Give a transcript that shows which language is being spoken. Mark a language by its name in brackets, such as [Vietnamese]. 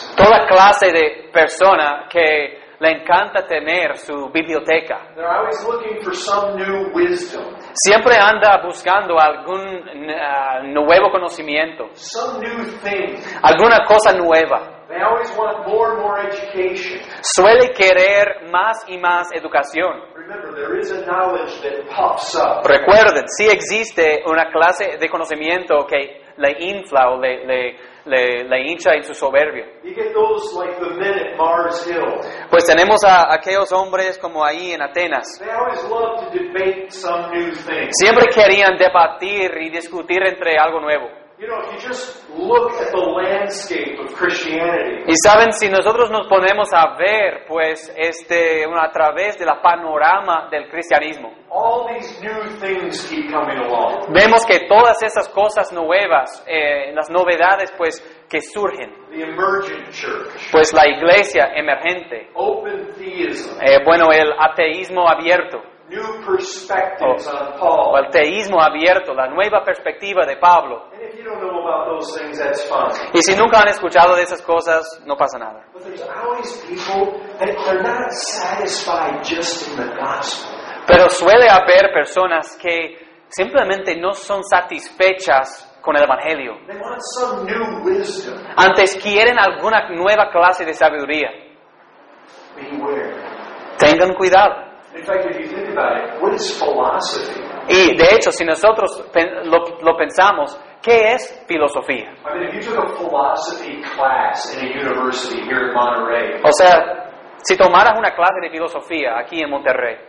[Spanish] Toda clase de persona que le encanta tener su biblioteca. [English] They're always looking for some new wisdom. [Spanish] Siempre anda buscando algún nuevo conocimiento. [English] Some new thing. [Spanish] Alguna cosa nueva. [English] They always want more and more education. [Spanish] Suele querer más y más educación. [English] Remember, there is a knowledge that pops up. [Spanish] Recuerden, sí existe una clase de conocimiento que le infla o le hincha en su soberbia. [English] You get those like the men at Mars Hill. [Spanish] Pues tenemos a aquellos hombres como ahí en Atenas. [English] They always love to debate some new thing. [Spanish] Siempre querían debatir y discutir entre algo nuevo. [English] You know, if you just look at the landscape of Christianity. [Spanish] Y saben, si nosotros nos ponemos a ver, pues, a través de la panorama del cristianismo. [English] All these new things keep coming along. [Spanish] Vemos que todas esas cosas nuevas, las novedades, pues, que surgen. [English] The emergent church. [Spanish] Pues la iglesia emergente. [English] Open theism. [Spanish] El ateísmo abierto. [English] New perspectives on Paul. [Spanish] O el teísmo abierto, la nueva perspectiva de Pablo. [English] And if you don't know about those things, that's fine. [Spanish] Y si nunca han escuchado de esas cosas, no pasa nada. [English] But there's always people that they're not satisfied just in the gospel. [Spanish] Pero suele haber personas que simplemente no son satisfechas con el evangelio. [English] They want some new wisdom. [Spanish] Antes quieren alguna nueva clase de sabiduría. [English] Beware. [Spanish] Tengan cuidado. [English] In fact, if you think about it, what is philosophy? [Spanish] Y de hecho, si nosotros lo pensamos, ¿qué es filosofía? [English] I mean, if you took a philosophy class in a university here in Monterey. [Spanish] O sea, si tomaras una clase de filosofía aquí en Monterrey.